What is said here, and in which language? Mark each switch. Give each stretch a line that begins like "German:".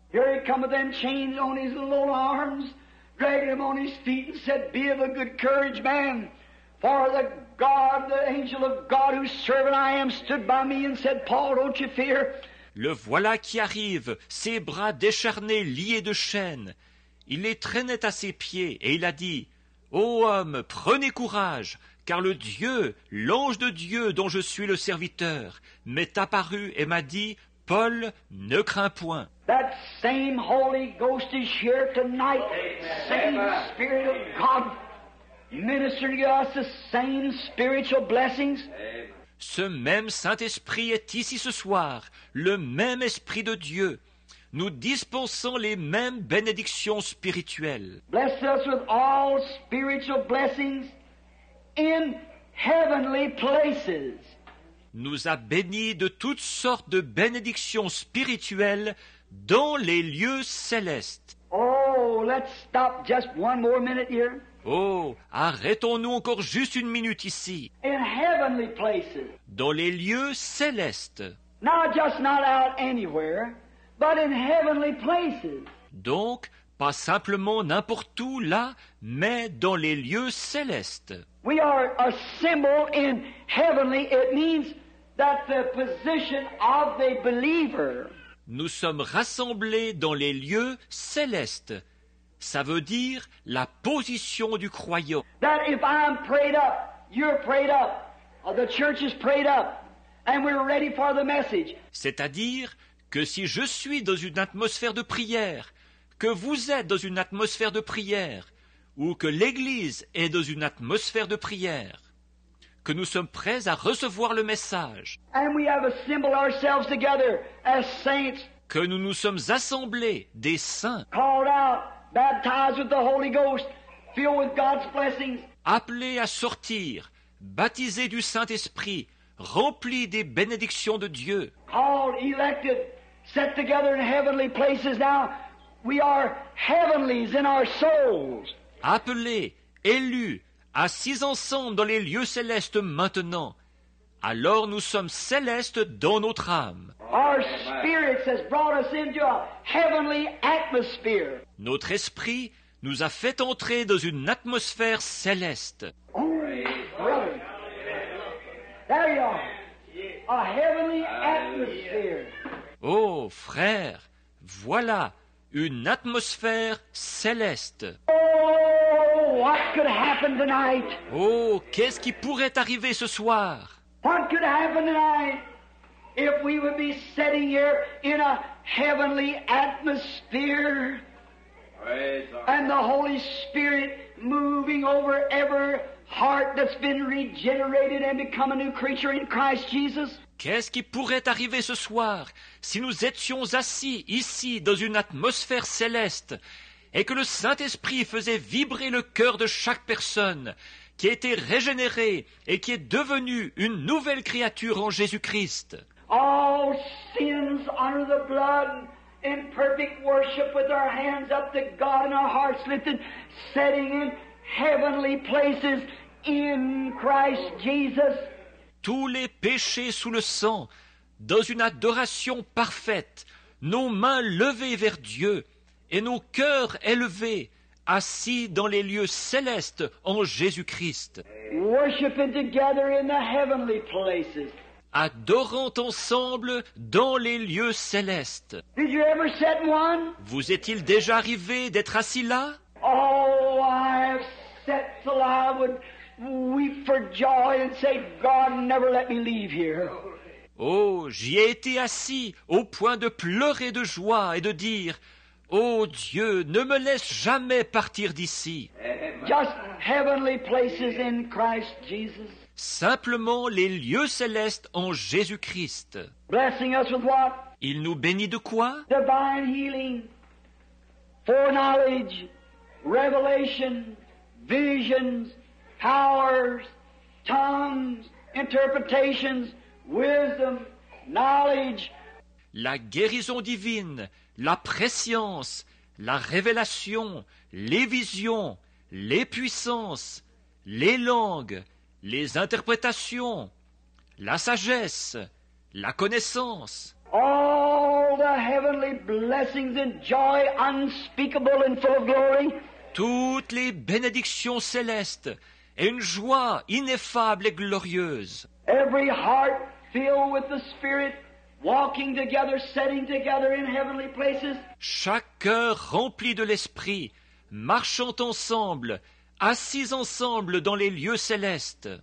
English: Here he come with them chains on his little arms, dragging him on his feet, and said, be of a good courage, man. For the God, the angel of God, whose servant I am, stood by me and said, Paul, don't you fear.
French: Le voilà qui arrive, ses bras décharnés, liés de chaînes. Il les traînait à ses pieds et il a dit, ô homme, prenez courage, car le Dieu, l'ange de Dieu dont je suis le serviteur, m'est apparu et m'a dit, Paul, ne crains point.
English: That same Holy Ghost is here tonight. Same Spirit of God ministering to us the same spiritual blessings.
French: Ce même Saint-Esprit est ici ce soir, le même Esprit de Dieu. Nous dispensons les mêmes bénédictions spirituelles.
English: Bless us with all spiritual blessings in heavenly places.
French: Nous a bénis de toutes sortes de bénédictions spirituelles dans les lieux célestes.
English: Oh, let's stop just one more minute here.
French: Oh, arrêtons-nous encore juste une minute ici.
English: In heavenly places.
French: Dans les lieux célestes.
English: Not just not out anywhere, but in heavenly places.
French: Donc, pas simplement n'importe où là, mais dans les lieux célestes.
English: We are assembled in heavenly. It means that the position of the believer.
French: Nous sommes rassemblés dans les lieux célestes. Ça veut dire la position du croyant.
English: That if I'm prayed up, you're prayed up, the church is prayed up, and we're ready for the message.
French: C'est-à-dire que si je suis dans une atmosphère de prière, que vous êtes dans une atmosphère de prière, ou que l'Église est dans une atmosphère de prière, que nous sommes prêts à recevoir le message,
English: and we have assembled ourselves together as saints,
French: que nous nous sommes assemblés des saints,
English: called out, baptized with the Holy Ghost, filled with God's blessings,
French: appelés à sortir, baptisés du Saint-Esprit, remplis des bénédictions de Dieu,
English: called, elected, set together in heavenly places now, we are heavenlies in our souls.
French: Appelés, élus, assis ensemble dans les lieux célestes maintenant, alors nous sommes célestes dans notre âme.
English: Our spirits has brought us into a heavenly atmosphere.
French: Notre esprit nous a fait entrer dans une atmosphère céleste.
English: Oh, brother. There you are. A heavenly atmosphere.
French: Oh, frère, voilà une atmosphère céleste.
English: Oh, what could happen tonight?
French: Oh, qu'est-ce qui pourrait arriver ce soir?
English: What could happen tonight if we would be sitting here in a heavenly atmosphere? And the Holy Spirit moving over every heart that's been regenerated and become a new creature in Christ Jesus.
French: Qu'est-ce qui pourrait arriver ce soir si nous étions assis ici dans une atmosphère céleste et que le Saint-Esprit faisait vibrer le cœur de chaque personne qui a été régénérée et qui est devenue une nouvelle créature en Jésus-Christ?
English: All sins under the blood, in perfect worship with our hands up to God and our hearts lifted, setting in heavenly places in Christ Jesus.
French: Tous les péchés sous le sang, dans une adoration parfaite, nos mains levées vers Dieu et nos cœurs élevés, assis dans les lieux célestes en Jésus-Christ.
English: Worshiping together in the heavenly places.
French: Adorant ensemble dans les lieux célestes.
English: Did you ever sit one?
French: Vous est-il déjà arrivé d'être assis là?
English: Oh, I have sat till I would weep for joy and say, God, never let me leave here.
French: Oh, j'y ai été assis au point de pleurer de joie et de dire, oh Dieu, ne me laisse jamais partir d'ici.
English: Just heavenly places in Christ Jesus.
French: Simplement les lieux célestes en Jésus-Christ.
English: Blessing us with what?
French: Il nous bénit de quoi?
English: Divine healing, foreknowledge, revelation, visions, powers, tongues, interpretations, wisdom, knowledge.
French: La guérison divine, la prescience, la révélation, les visions, les puissances, les langues, les interprétations, la sagesse, la connaissance.
English: All the heavenly blessings and joy unspeakable and full of glory.
French: Toutes les bénédictions célestes et une joie ineffable et glorieuse.
English: Every heart filled with the Spirit, walking together, setting together in heavenly places.
French: Chaque cœur rempli de l'Esprit, marchant ensemble, assis ensemble dans les lieux célestes.